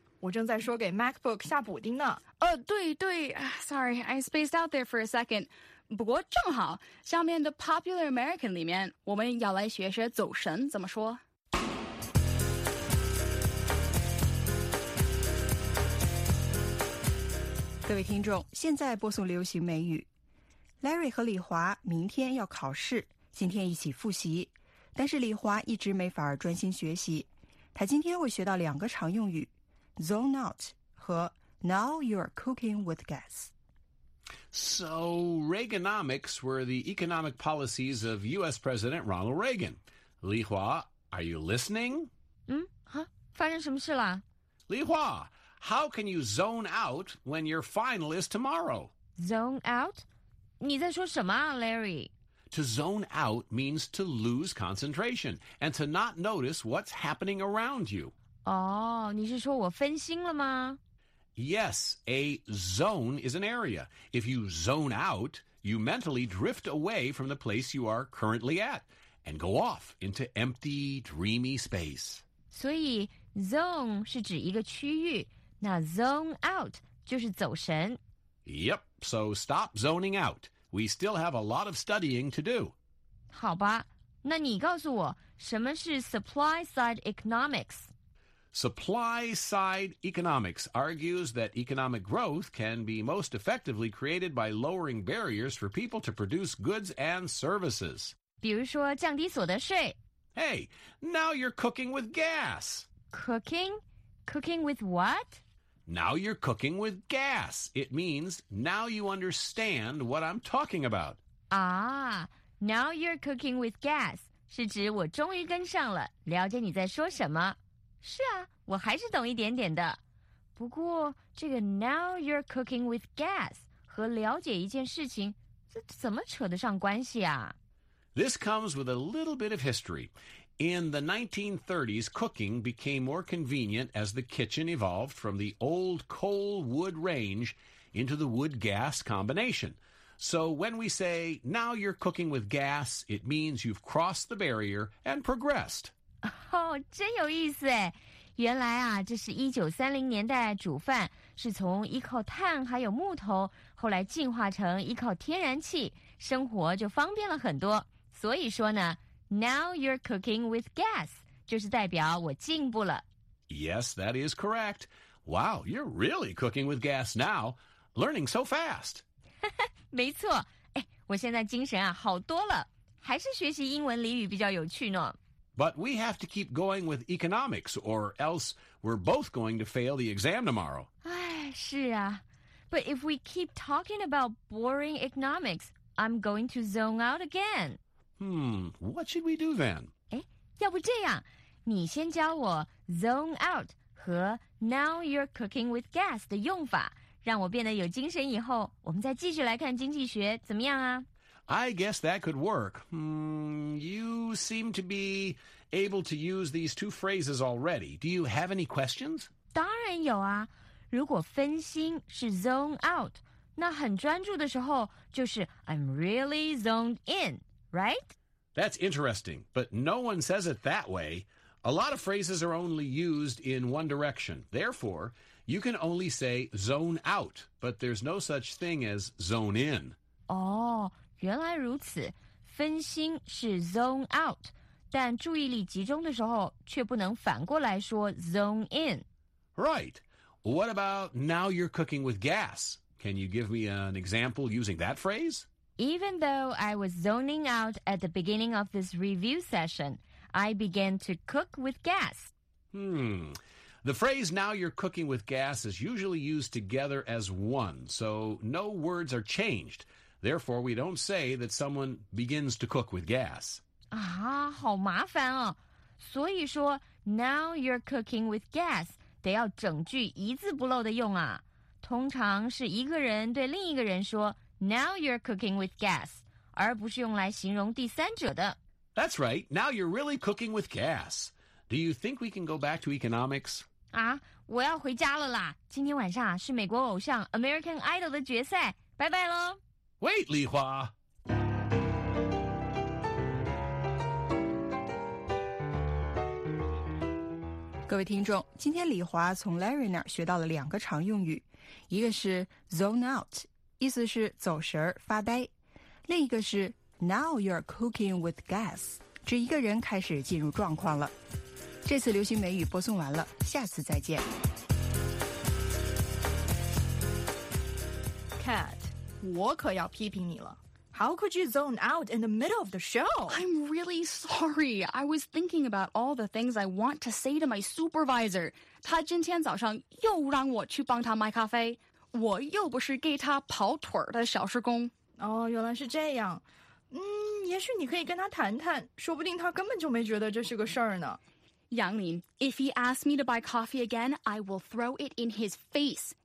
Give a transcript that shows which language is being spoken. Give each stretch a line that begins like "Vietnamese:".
Chinese: 我正在说给 MacBook 下补丁呢。对对。
English: Sorry, I spaced out there for a second.
Chinese: 不过正好，下面的 Popular American 里面，我们要来学学走神怎么说。各位听众，现在播送流行美语。Larry 和李华明天要考试，今天一起复习，但是李华一直没法专心学习。他今天会学到两个常用语 Zone out 和
English: Now you're cooking with gas. So Reaganomics were the economic policies of U.S. President Ronald Reagan. 李华 are you listening?
Chinese: 发生什么事了？
English: 李华 how can you zone out when your final is tomorrow? Zone out?
Chinese: 你在说什么啊 Larry?
English: To zone out means to lose concentration and to not notice what's happening around you.
Chinese: 哦、oh, 你是说我分心了吗?
English: Yes, a zone is an area. If you zone out, you mentally drift away from the place you are currently at and go off into empty, dreamy space.
Chinese: 所以 zone 是指一个区域，那 zone out 就是走神。
English: Yep, so stop zoning out. We still have a lot of studying to do.
Chinese: 好吧，那你告诉我，什么是 supply side economics?
English: Supply side economics argues that economic growth can be most effectively created by lowering barriers for people to produce goods and services.
Chinese: 比如说降低所得税。
English: Hey, now you're cooking with gas. Cooking? Cooking with what? Now you're cooking with gas. It means now you understand what I'm talking about. Ah, now you're cooking with gas.
Chinese: 是指我终于跟上了，了解你在说什么。是啊，我还是懂一点点的。不过这个
English: now you're cooking with gas
Chinese: 和了解一件事情，这怎么扯得上关系啊？
English: This comes with a little bit of history. In the 1930s, cooking became more convenient as the kitchen evolved from the old coal wood range into the wood gas combination. So when we say, now you're cooking with gas, it means you've crossed the barrier and progressed.
Chinese: Oh, 真有意思诶。原来啊，这是1930年代煮饭是从依靠碳还有木头，后来进化成依靠天然气，生活就方便了很多。所以说呢，
English: Now you're cooking with gas,
Chinese: 就是代表我进步了。
English: Yes, that is correct. Wow, you're really cooking with gas now, learning so fast.
Chinese: 没错，哎，我现在精神啊好多了，还是学习英文俚语比较有趣呢。
English: But we have to keep going with economics, or else we're both going to fail the exam tomorrow. 哎，是啊。 But if we keep talking about boring economics, I'm going to zone out again. What should we do then?
Chinese: 哎，要不这样，你先教我 zone out 和
English: now you're cooking with gas
Chinese: 的用法，让我变得有精神以后，我们再继续来看经济学，怎么样啊？
English: I guess that could work. You seem to be able to use these two phrases already. Do you have any questions?
Chinese: 当然有啊。如果分心是 zone out, 那很专注的时候就是
English: I'm really zoned in, right? That's interesting, but no one says it that way. A lot of phrases are only used in one direction. Therefore, you can only say zone out, but there's no such thing as zone in.
Chinese: Oh,原来如此，分心是 zone out, 但注意力集中的时候却不能反过来说 zone in.
English: Right. What about now you're cooking with gas? Can you give me an example using that phrase? Even though I was zoning out at the beginning of this review session, I began to cook with gas. The phrase now you're cooking with gas is usually used together as one, so no words are changed. Therefore, we don't say that someone begins to cook with gas.
Chinese: 啊，好麻烦哦。所以说
English: now you're cooking with gas,
Chinese: 得要整句一字不漏的用啊。通常是一个人对另一个人说
English: now you're cooking with gas,
Chinese: 而不是用来形容第三者的。 That's right, now you're really cooking with gas. Do you think we can go back to economics? 啊，我要回家了啦。今天晚上是美国偶像 American Idol 的决赛，拜拜咯。
English: Wait, Li Hua! Good evening, John. Today, Li Hua from Larry
Chinese: 那儿学到了两个常用语，一个是 zone out, 意思是走神儿发呆，另一个是
English: now you're cooking with gas,
Chinese: 指一个人开始进入状况了。这次流行美语播送完了，下次再见。 Cat. 我可要批评你了。
English: How could you zone out in the middle of the show? I'm really sorry. I was thinking about all the things I want to say to my supervisor.
Chinese: 他今天早上又让我去帮他买咖啡。我又不是给他跑腿的小时工。哦，原来是这样。也许你可以跟他谈谈，说不定他根本就没觉得这是个事儿呢。
English: 杨林， if he asks me to buy coffee again, I will throw it in his face.